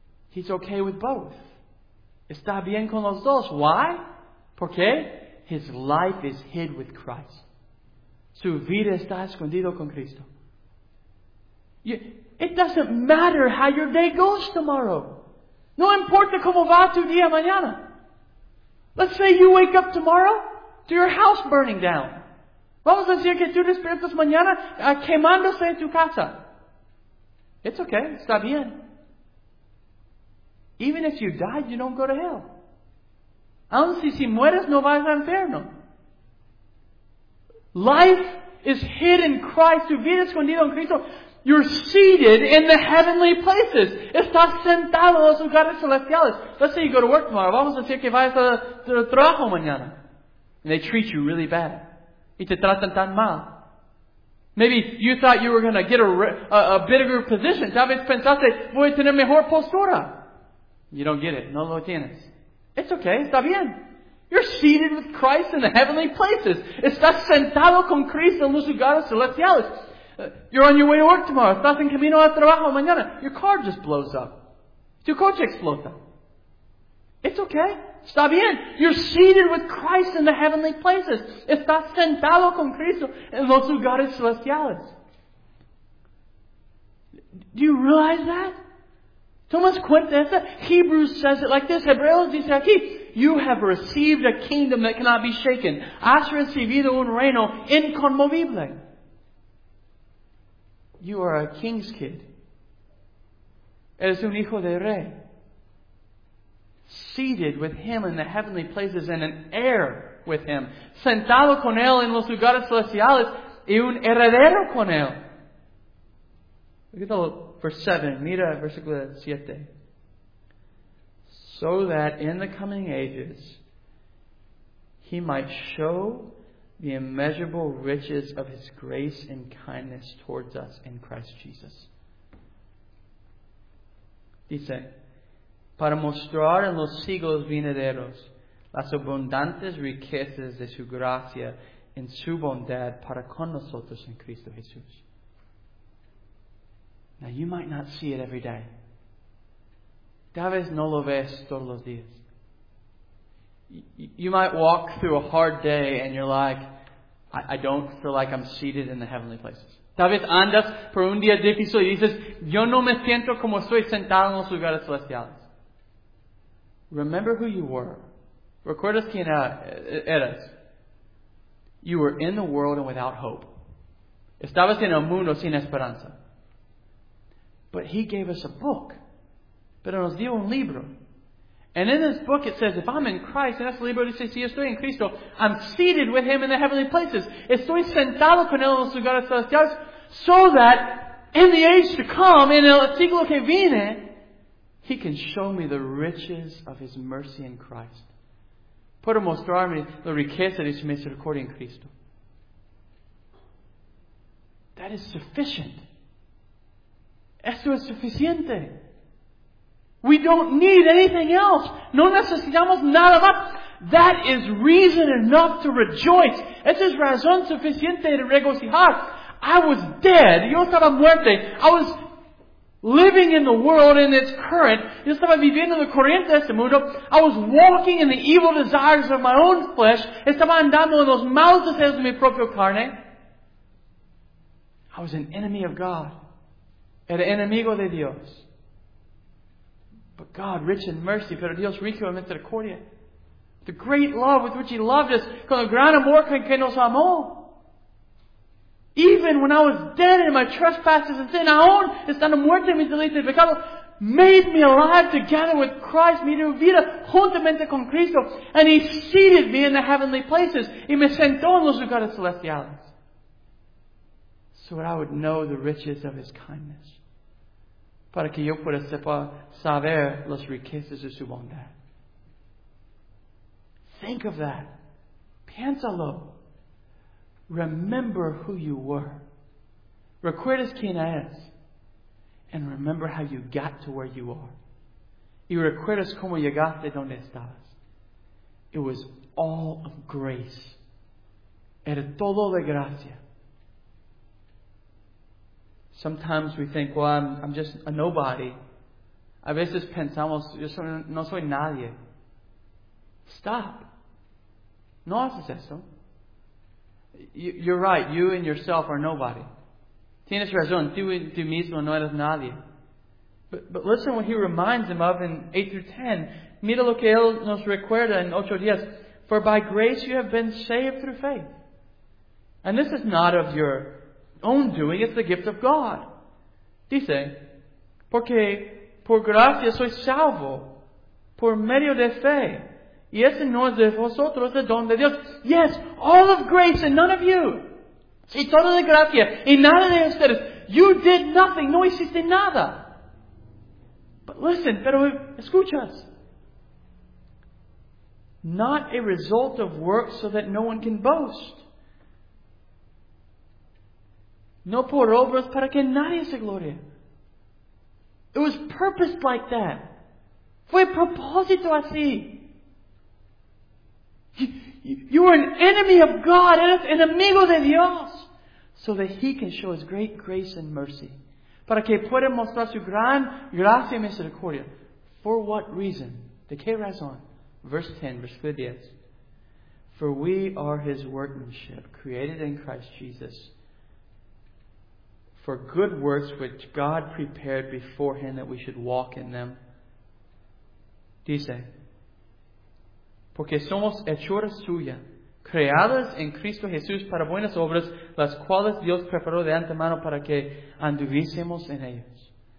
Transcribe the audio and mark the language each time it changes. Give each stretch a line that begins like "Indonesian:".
English: He's okay with both.
Spanish: Está bien con los dos.
English: Why?
Spanish: Porque
English: his life is hid with Christ.
Spanish: Su vida está escondido con Cristo.
English: It doesn't matter how your day goes tomorrow.
Spanish: No importa cómo va tu día mañana.
English: Let's say you wake up tomorrow to your house burning down.
Spanish: Vamos a decir que tú despiertas mañana quemándose en tu casa.
English: It's okay.
Spanish: Está bien.
English: Even if you die, you don't go to hell.
Spanish: Aun si mueres, no vas al infierno.
English: Life is hid in Christ.
Spanish: Tu vida escondida en Cristo.
English: You're seated in the heavenly places.
Spanish: Estás sentado en los lugares celestiales.
English: Let's say you go to work tomorrow.
Spanish: Vamos a decir que vayas a trabajo mañana.
English: And they treat you really bad.
Spanish: Y te tratan tan mal.
English: Maybe you thought you were going to get a bigger position.
Spanish: Tal vez pensaste, voy a tener mejor postura.
English: You don't get it.
Spanish: No lo tienes.
English: It's okay.
Spanish: Está bien.
English: You're seated with Christ in the heavenly places.
Spanish: Estás sentado con Cristo en los lugares celestiales.
English: You're on your way to work tomorrow.
Spanish: Estás en camino a trabajo mañana.
English: Your car just blows up.
Spanish: Tu coche explota.
English: It's okay.
Spanish: Está bien.
English: You're seated with Christ in the heavenly places.
Spanish: Estás sentado con Cristo en los lugares celestiales.
English: Do you realize that?
Spanish: Tomas cuenta esa?
English: Hebrews says it like this.
Spanish: Hebreos dice aquí,
English: you have received a kingdom that cannot be shaken.
Spanish: Has recibido un reino inconmovible.
English: You are a king's kid.
Spanish: Eres un hijo de rey.
English: Seated with him in the heavenly places and an heir with him.
Spanish: Sentado con él en los lugares celestiales y un heredero con él.
English: Look at the verse 7.
Spanish: Mira versículo 7.
English: So that in the coming ages he might show the immeasurable riches of his grace and kindness towards us in Christ Jesus.
Spanish: Dice, para mostrar en los siglos venideros las abundantes riquezas de su gracia en su bondad para con nosotros en Cristo Jesús.
English: Now you might not see it every day.
Spanish: Tal vez no lo ves todos los días.
English: You might walk through a hard day and you're like, I don't feel like I'm seated in the heavenly places.
Spanish: Tal vez andas por un día difícil y dices, yo no me siento como estoy sentado en los lugares celestiales.
English: Remember who you were.
Spanish: Recuerdas quién eras.
English: You were in the world and without hope.
Spanish: Estabas en el mundo sin esperanza.
English: But he gave us a book.
Spanish: Pero nos dio un libro.
English: And in this book it says, if I'm in Christ,
Spanish: en ese libro dice, si estoy en Cristo,
English: I'm seated with him in the heavenly places.
Spanish: Estoy sentado con él en los lugares celestiales.
English: So that in the age to come,
Spanish: en el siglo que viene,
English: he can show me the riches of his mercy in Christ.
Spanish: Puedo mostrarme la riqueza de su misericordia en Cristo.
English: That is sufficient.
Spanish: Eso es suficiente.
English: We don't need anything else.
Spanish: No necesitamos nada más.
English: That is reason enough to rejoice.
Spanish: Esa es razón suficiente de regocijar.
English: I was dead.
Spanish: Yo estaba muerto.
English: I was living in the world in its current.
Spanish: Yo estaba viviendo en la corriente de este mundo.
English: I was walking in the evil desires of my own flesh.
Spanish: Estaba andando en los malos deseos de mi propia carne.
English: I was an enemy of God.
Spanish: Era enemigo de Dios.
English: But God, rich in mercy,
Spanish: pero Dios rico en misericordia.
English: The great love with which he loved us,
Spanish: con el gran amor con que nos amó.
English: Even when I was dead in my trespasses and sin,
Spanish: aún estando muerto en mis delitos y pecados,
English: made me alive together with Christ,
Spanish: mi vida juntamente con Cristo,
English: and he seated me in the heavenly places,
Spanish: y me sentó en los lugares celestiales.
English: So that I would know the riches of his kindness.
Spanish: Para que yo pueda saber las riquezas de su bondad.
English: Think of that.
Spanish: Piénsalo.
English: Remember who you were.
Spanish: Recuerdas quién eres.
English: And remember how you got to where you are.
Spanish: Y recuerdas cómo llegaste donde estabas.
English: It was all of grace.
Spanish: Era todo de gracia.
English: Sometimes we think, well, I'm just a nobody.
Spanish: A veces pensamos, yo no soy nadie.
English: Stop.
Spanish: No haces eso.
English: You're right. You and yourself are nobody.
Spanish: Tienes razón. Tú y tú mismo no eres nadie.
English: But listen what he reminds them of in 8 through 10.
Spanish: Mira lo que él nos recuerda en 8 días.
English: For by grace you have been saved through faith. And this is not of your own doing. It's the gift of God.
Spanish: Dice, porque por gracia soy salvo. Por medio de fe. Y ese no es de vosotros, el don de Dios.
English: Yes, all of grace and none of you.
Spanish: Y toda la gracia y nada de ustedes.
English: You did nothing,
Spanish: no hiciste nada.
English: But listen,
Spanish: pero escuchas.
English: Not a result of works so that no one can boast.
Spanish: No por obras para que nadie se gloria.
English: It was purposed like that.
Spanish: Fue propósito así.
English: You are an enemy of God.
Spanish: Eres enemigo de Dios.
English: So that He can show His great grace and mercy.
Spanish: Para que pueda mostrar su gran gracia y misericordia.
English: For what reason?
Spanish: ¿De qué razón?
English: Verse 10, verse 10. For we are His workmanship, created in Christ Jesus, for good works which God prepared beforehand that we should walk in them.
Spanish: Dice, porque somos hechuras suyas, creadas en Cristo Jesús para buenas obras, las cuales Dios preparó de antemano para que anduviésemos en ellas.